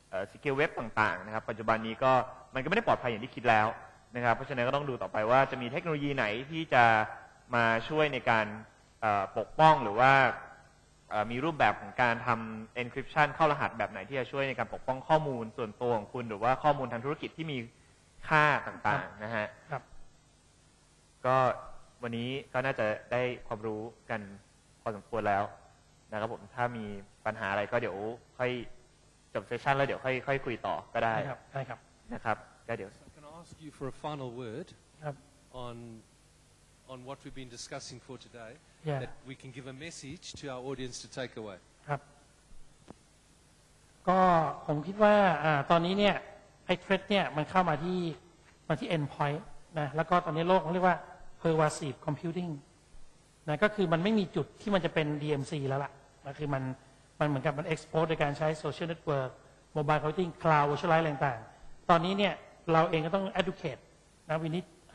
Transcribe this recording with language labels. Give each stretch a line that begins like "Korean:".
Thai: secure web ต่างๆนะครับปัจจุบันนี้ก็มันก็ไม่ได้ปลอดภัยอย่างที่คิดแล้วนะครับเพราะฉะนั้นก็ต้องดูต่อไปว่าจะมีเทคโนโลยีไหนที่จะมาช่วยในการปกป้องหรือว่ามีรูปแบบของการทำ encryption เข้ารหัสแบบไหนที่จะช่วยในการปกป้องข้อมูลส่วนตัวของคุณหรือว่าข้อมูลทางธุรกิจที่มีค่าต่างๆนะฮะ ครับ ก็วันนี้ก็น่าจะได้ความรู้กันพอสมควรแล้วนะครับผมถ้ามีปัญหาอะไรก็เดี๋ยวค่อยจบเซสชั่นแล้วเดี๋ยวค่อยคุยต่อก็ได้ ได้ครับได้ครับ นะครับก็เดี๋ยว
English: Can I ask you for a final word on what we've been discussing for today that we can give a message to our audience to take away
Thai: ครับก็ผมคิดว่าตอนนี้เนี่ยไอ้เทรดเนี่ยมันเข้ามาที่endpoint นะแล้วก็ตอนนี้โลกเขาเรียกว่า pervasive computing นะก็คือมันไม่มีจุดที่มันจะเป็น DMC แล้วล่ะนะคือมันเหมือนกับมัน export โดยการใช้ social network mobile computing cloud virtualize ต่างตอนนี้เนี่ยเราเองก็ต้อง educate นะ
English: we need